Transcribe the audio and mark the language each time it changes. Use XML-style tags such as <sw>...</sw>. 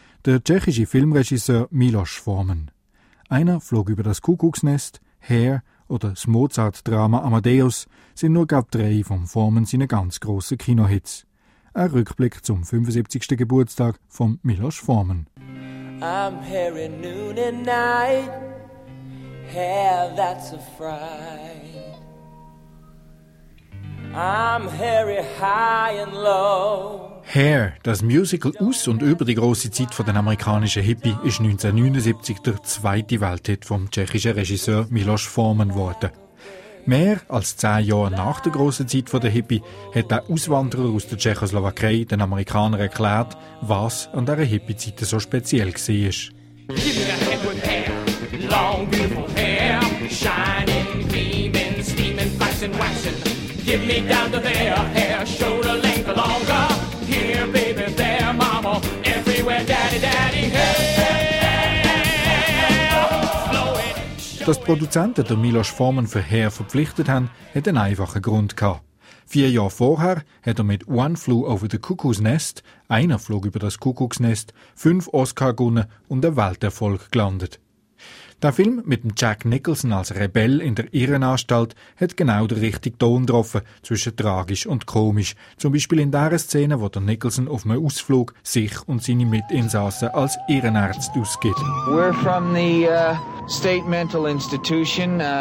<de>Der tschechische Filmregisseur Miloš Forman. Einer flog über das Kuckucksnest, Hair oder das Mozart-Drama Amadeus sind nur gerade 3 von Forman seiner ganz grossen Kinohits. Ein Rückblick zum 75. Geburtstag von Miloš Forman.</de> <en>I'm here in noon and night, hair that's a fright. I'm Harry high and low.</en> <de>Hair, das Musical aus und über die grosse Zeit von den amerikanischen Hippie, ist 1979 der zweite Welthit vom tschechischen Regisseur Miloš Forman geworden. Mehr als 10 Jahre nach der grossen Zeit der Hippie hat der Auswanderer aus der Tschechoslowakei den Amerikanern erklärt, was an dieser Hippie-Zeit so speziell war.</de> <en>Give me that hip with hair, long beautiful hair, shining, gleaming, steaming, flexing, waxing. Give me down to there, hair, shoulder length longer. Here, baby, there, mama, everywhere, daddy, daddy, hey.</en> <de>Dass die Produzenten der Miloš Forman für Hair verpflichtet haben, hat einen einfachen Grund gehabt. 4 Jahre vorher hat er mit «One Flew Over the Cuckoo's Nest», «Einer flog über das Kuckucksnest», 5 Oscar gewonnen und einen Welterfolg gelandet. Der Film mit dem Jack Nicholson als Rebell in der Irrenanstalt hat genau den richtigen Ton getroffen zwischen tragisch und komisch. Zum Beispiel in der Szene, wo der Nicholson auf einem Ausflug sich und seine Mitinsassen als Irrenärzte ausgibt.</de> <en>We're from the State Mental Institution.</en>